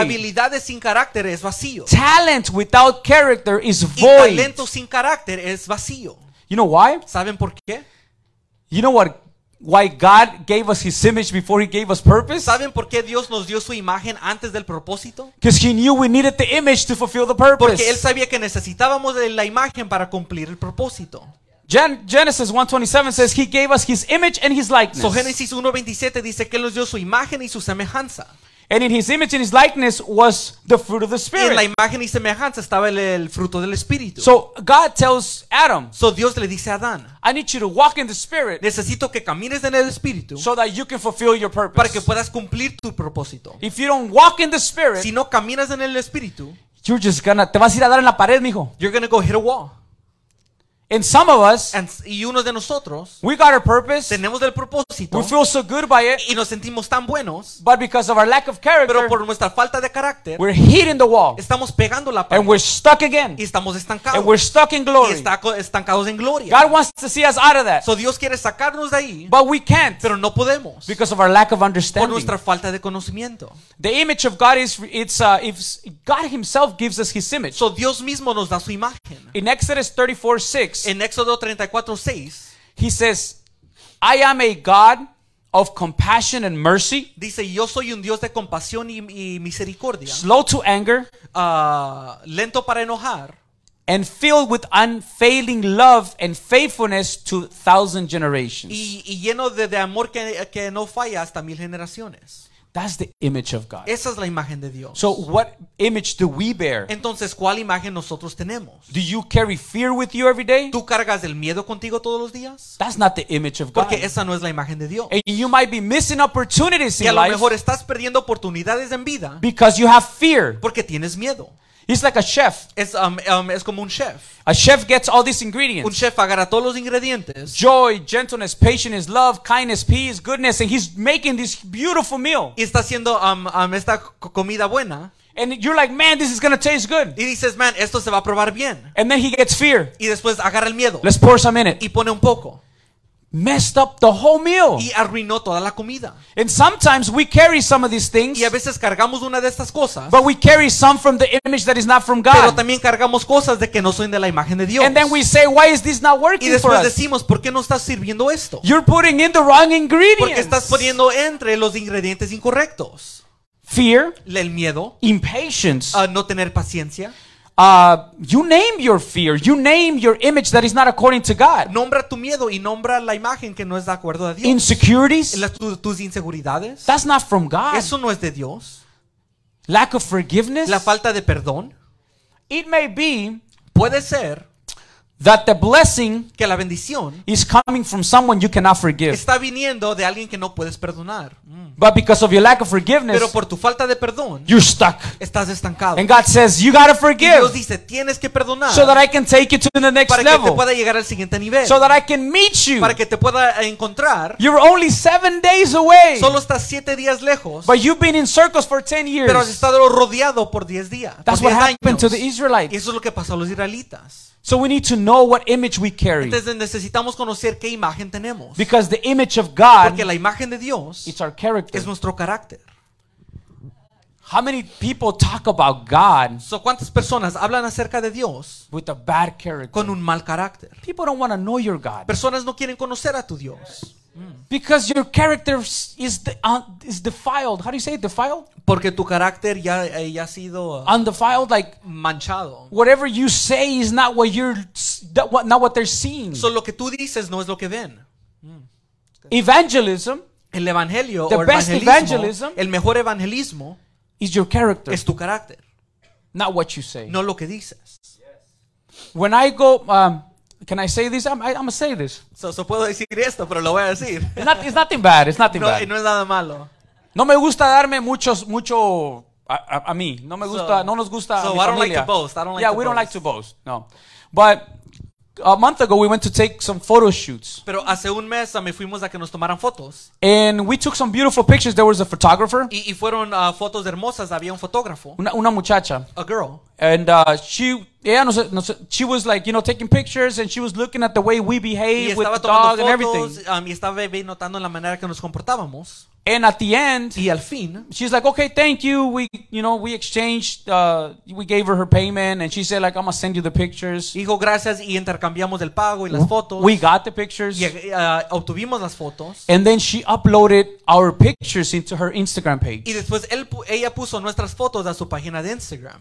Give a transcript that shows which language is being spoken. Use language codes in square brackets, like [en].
[es] Habilidades sin carácter es vacío. [en] Talent without character is void. [es] Y talento sin carácter es vacío. [en] You know why? [es] ¿Saben por qué? [en] You know what? Why God gave us His image before He gave us purpose? [es] ¿Saben por qué Dios nos dio su imagen antes del propósito? [en] Because He knew we needed the image to fulfill the purpose. [es] Porque él sabía que necesitábamos la imagen para cumplir el propósito. [en] Genesis 1:27 says He gave us His image and His likeness. [es] So Génesis 1:27 dice que él nos dio su imagen y su semejanza. [en] And in His image and His likeness was the fruit of the Spirit. [es] En la imagen y semejanza estaba el fruto del Espíritu. [en] So God tells Adam. [es] So Dios le dice a Adán. [en] I need you to walk in the Spirit. [es] Necesito que camines en el Espíritu. [en] So that you can fulfill your purpose. [es] Para que puedas cumplir tu propósito. [en] If you don't walk in the Spirit. [es] Si no caminas en el Espíritu. [en] You're just gonna. [es] Te vas a ir a dar en la pared, mijo. [en] You're gonna go hit a wall. And some of us, [es] y unos de nosotros, [en] we got our purpose. [es] Tenemos el propósito. [en] We feel so good by it. [es] Y nos sentimos tan buenos. [en] But because of our lack of character, [es] pero por nuestra falta de carácter, [en] we're hitting the wall. [es] Estamos pegando la pared. [en] And we're stuck again. [es] Y estamos estancados. [en] And we're stuck in glory. [es] Y estancados en gloria. [en] God wants to see us out of that. [es] So Dios quiere sacarnos de ahí. [en] But we can't. [es] Pero no podemos. [en] Because of our lack of understanding. [es] Por nuestra falta de conocimiento. [en] The image of God is if God Himself gives us His image. [es] So Dios mismo nos da su imagen. [en] In Exodus 34:6. [es] En Éxodo 34:6, [en] He says, I am a God of compassion and mercy. [es] Dice, yo soy un Dios de compasión y misericordia. [en] Slow to anger. [es] Lento para enojar. [en] And filled with unfailing love and faithfulness to 1,000 generations. [es] Y lleno de amor que no falla hasta 1,000 generaciones. [en] That's the image of God. [es] Esa es la imagen de Dios. [en] So what image do we bear? [es] Entonces, ¿cuál imagen nosotros tenemos? [en] Do you carry fear with you every day? [es] ¿Tú cargas el miedo contigo todos los días? [en] That's not the image of God. [es] Porque esa no es la imagen de Dios. [en] And you might be missing opportunities in life. [es] Y a lo mejor estás perdiendo oportunidades en vida. [en] Because you have fear. [es] Porque tienes miedo. [en] He's like a chef. [es] Es como un chef. [en] A chef gets all these ingredients. [es] Un chef agarra todos los ingredientes. [en] Joy, gentleness, patience, love, kindness, peace, goodness, and he's making this beautiful meal. [es] Y está haciendo esta comida buena. [en] And you're like, man, this is gonna taste good. [es] Y dices, man, esto se va a probar bien. [en] And then he gets fear. [es] Y después agarra el miedo. [en] Let's pour some in it. [es] Y pone un poco. [en] Messed up the whole meal. [es] Y arruinó toda la comida. [en] And sometimes we carry some of these things. [es] Y a veces cargamos una de estas cosas. [en] But we carry some from the image that is not from God. [es] Pero también cargamos cosas de que no son de la imagen de Dios. [en] And then we say, why is this not working for us? [es] Y después decimos, ¿por qué no estás sirviendo esto? [en] You're putting in the wrong ingredients. [es] Porque estás poniendo entre los ingredientes incorrectos. [en] Fear. [es] El miedo. [en] Impatience. [es] No tener paciencia. [en] You name your fear. You name your image that is not according to God. [es] Nombra tu miedo y nombra la imagen que no es de acuerdo a Dios. [en] Insecurities. [es] Tus inseguridades. [en] That's not from God. [es] Eso no es de Dios. [en] Lack of forgiveness. [es] La falta de perdón. [en] It may be. [es] Puede ser. [en] That the blessing [es] que la bendición [en] is coming from someone you cannot forgive. [es] Está viniendo de alguien que no puedes perdonar. [en] But because of your lack of forgiveness, [es] pero por tu falta de perdón, [en] you're stuck. [es] Estás estancado. [en] And God says, you gotta forgive. [es] Y Dios dice, tienes que perdonar. [en] So that I can take you to the next [es] level. Para que te pueda llegar al siguiente nivel. [en] So that I can meet you. [es] Para que te pueda encontrar. [en] You're only 7 days away. [es] Solo estás 7 días lejos. [en] But you've been in circles for 10 years. [es] Pero has estado rodeado por 10 días. [en] That's [es] por 10 años. [en] Happened to the Israelites. [es] Y eso es lo que pasó a los israelitas. [en] So we need to know what image we carry. [es] Entonces necesitamos conocer qué imagen tenemos. [en] Because the image of God, [es] porque la imagen de Dios, [en] it's our character. [es] Es nuestro carácter. [en] How many people talk about God? [es] So cuántas personas hablan acerca de Dios? [en] With a bad character. [es] Con un mal carácter. [en] People don't want to know your God. [es] Personas no quieren conocer a tu Dios. [en] Because your character is defiled. How do you say it? Defiled? [es] Porque tu carácter ya ha sido [en] undefiled, like [es] manchado. [en] Whatever you say is not what not what they're seeing. [es] So lo que tú dices no es lo que ven. [en] Evangelism, [es] el evangelio, [en] the best evangelism, [es] el mejor evangelismo, [en] is your character. [es] Es tu carácter. [en] Not what you say. [es] No lo que dices. [en] When I go. Can I say this? I'm gonna say this. [es] So puedo decir esto, pero lo voy a decir. [en] It's nothing bad. It's nothing bad. [es] No es nada malo. No me gusta darme mucho a mí. No me gusta. No nos gusta. [en] So [es] a mi [en] I don't [es] familia. [en] Like to boast. I don't like. Yeah, to we boast. Don't like to boast. No, but a month ago we went to take some photo shoots. [es] Pero hace un mes me fuimos a que nos tomaran fotos. [en] And we took some beautiful pictures. There was a photographer. [es] Y fueron fotos hermosas. Había un fotógrafo. Una muchacha. [en] A girl. And she was like, you know, taking pictures, and she was looking at the way we behave with the dog [es] fotos, [en] and everything. [es] Y estaba notando la manera que nos comportábamos. [en] And at the end, [es] y al fin, [en] she's like, okay, thank you. We exchanged. We gave her payment, and she said, like, I'm gonna send you the pictures. [es] Dijo gracias y intercambiamos el pago y las fotos. [en] We got the pictures. [es] Y obtuvimos las fotos. [en] And then she uploaded our pictures into her Instagram page. [es] Y después ella puso nuestras fotos a su página de Instagram.